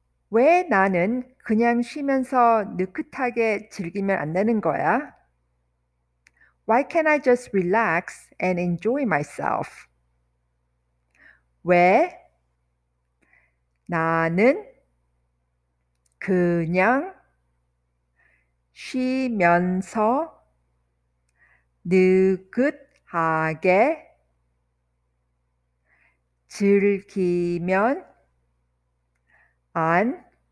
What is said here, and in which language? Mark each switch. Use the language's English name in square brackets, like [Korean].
[Korean] 왜 나는 그냥 쉬면서 느긋하게 즐기면 안 되는 거야? [English] Why can't I just relax and enjoy myself? [Korean] 왜 나는 그냥 쉬면서 느긋하게 즐기면 안 되는 거야.